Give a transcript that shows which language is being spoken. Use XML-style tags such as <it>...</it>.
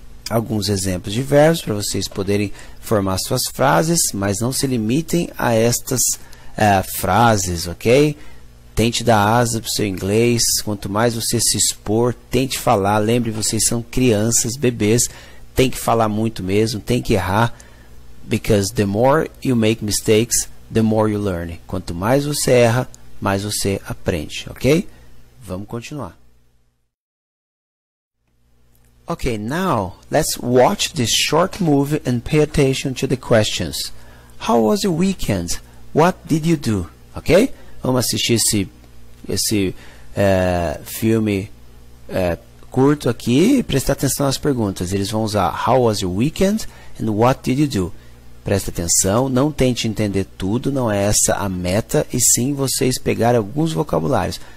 <pt>Alguns exemplos de verbos para vocês poderem formar suas frases, mas não se limitem a estas frases, ok? Tente dar asa para o seu inglês. Quanto mais você se expor, tente falar. Lembre, vocês são crianças, bebês, tem que falar muito mesmo, tem que errar.</pt> <en>Because the more you make mistakes, the more you learn.</en> <pt>Quanto mais você erra, mais você aprende, ok? Vamos continuar.</pt> <en>Okay, now let's watch this short movie and pay attention to the questions. How was your weekend? What did you do? Ok?</en> <pt>Vamos assistir esse filme curto aqui e prestar atenção nas perguntas. Eles vão usar</pt> <en>How was your weekend? And what did you do?</en> <pt>Presta atenção, não tente entender tudo, não é essa a meta, e sim vocês pegarem alguns vocabulários.</pt>